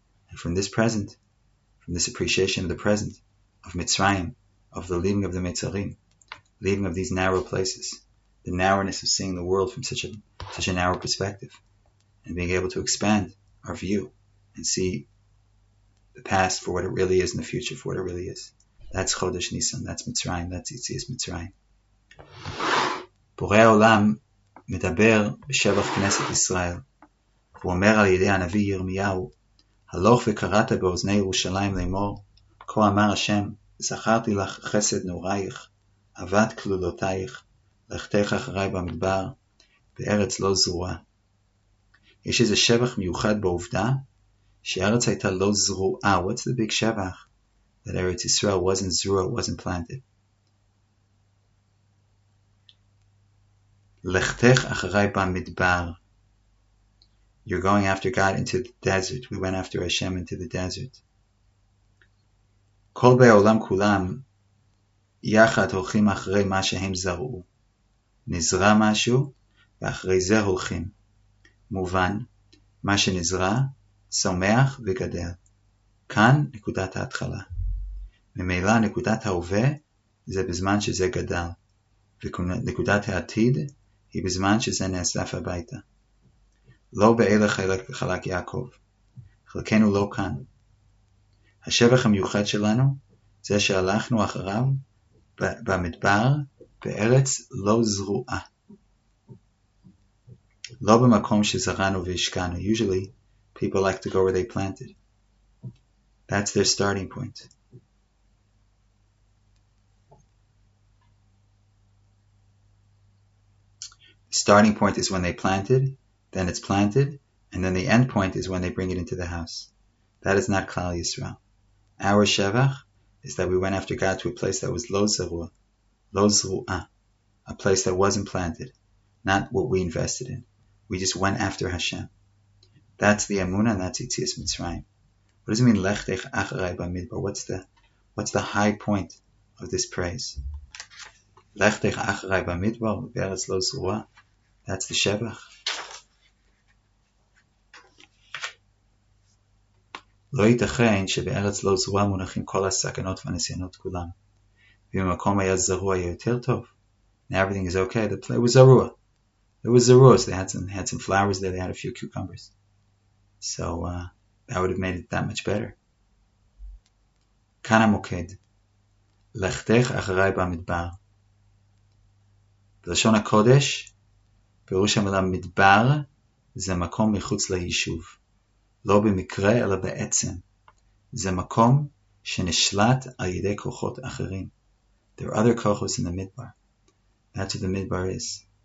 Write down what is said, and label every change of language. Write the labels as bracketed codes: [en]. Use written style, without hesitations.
[en] And from this present, from this appreciation of the present, of Mitzrayim, of the leaving of the Mitzarim, leaving of these narrow places, the narrowness of seeing the world from such a narrow perspective, and being able to expand our view and see the past for what it really is and the future for what it really is. That's Chodesh Nisan, that's Mitzrayim, that's Yitzias Mitzrayim. [he] Borei Olam מדבר בשבח כנסת ישראל. הוא אומר על ידי הנביא ירמיהו, הלוך וקראת באוזני ירושלים לאמור, כה אמר השם, זכרתי לך חסד נוראיך, אבד כלולותייך, לכתך אחרי במדבר, בארץ לא זרועה. יש איזה שבח מיוחד בעובדה שארץ הייתה לא זרועה. [en] What's the big שבח? That ארץ ישראל wasn't zrua, wasn't planted. [he] לכתך אחרי במדבר. [en] You're going after God into the desert. We went after Hashem into the desert. [he] כל בעולם כולם יחד הולכים אחרי מה שהם זרעו. נזרע משהו ואחרי זה הולכים. מובן, מה שנזרע שומח וגדל. כאן נקודת ההתחלה. ממילא נקודת ההווה זה בזמן שזה גדל. ונקודת העתיד היא בזמן שזה נאסף הביתה. לא באלה חלק יעקב. חלקנו לא כאן. השבח המיוחד שלנו זה שהלכנו אחריו במדבר בארץ לא זרועה. לא במקום שזרענו והשקענו. [en] Usually, people like to go where they planted. That's their starting point. Starting point is when they planted, then it's planted, and then the end point is when they bring it into the house. That is not Klal Yisrael. Our Shevach is that we went after God to a place that was lo zru'ah, a place that wasn't planted, not what we invested in. We just went after Hashem. That's the Emunah, that's Yitzias Mitzrayim. What does it mean, [he] lechtech acharei b'midbar? [en] What's the high point of this praise? [he] Lechtech acharei b'midbar, be'eretz lo zru'ah. [en] That's the Shevach. [he] לא ייתכן שבארץ לא זרוע מונחים כל הסכנות והנסיונות כולם. ואם המקום היה זרוע היה יותר טוב. [en] And everything is okay. The play was zrua. It was zrua. So they had some flowers there. They had a few cucumbers. So that would have made it that much better. [he] כאן המוקד. לכתך אחרי במדבר. בלשון הקודש, פירוש המילה מדבר זה מקום מחוץ ליישוב. לא במקרה, אלא בעצם. זה מקום שנשלט על ידי כוחות אחרים. [en] There are other כוחות in the midbar. That's what the midbar is.